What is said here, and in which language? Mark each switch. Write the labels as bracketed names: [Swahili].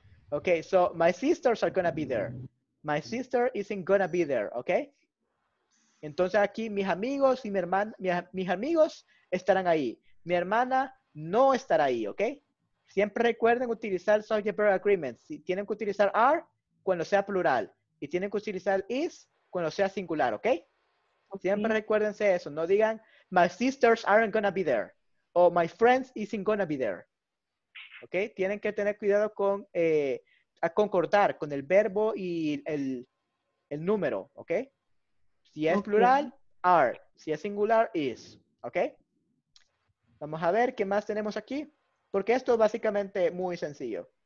[English] Okay, so my sisters are going to be there. My sister isn't going to be there, okay? [Spanish] Entonces aquí mis amigos y mi hermana, mis amigos estarán ahí. Mi hermana no estará ahí, okay? Siempre recuerden utilizar subject verb agreements. Si tienen que utilizar are cuando sea plural. Y tienen que utilizar is cuando sea singular, okay? Siempre recuérdense eso. No digan, [English] my sisters aren't going to be there. [Spanish] O [English] my friends isn't going to be there. [Spanish] ¿Ok? Tienen que tener cuidado con a concordar con el verbo y el número. ¿Ok? Si es plural, are. Si es singular, is. ¿Ok? Vamos a ver qué más tenemos aquí. Porque esto es básicamente muy sencillo.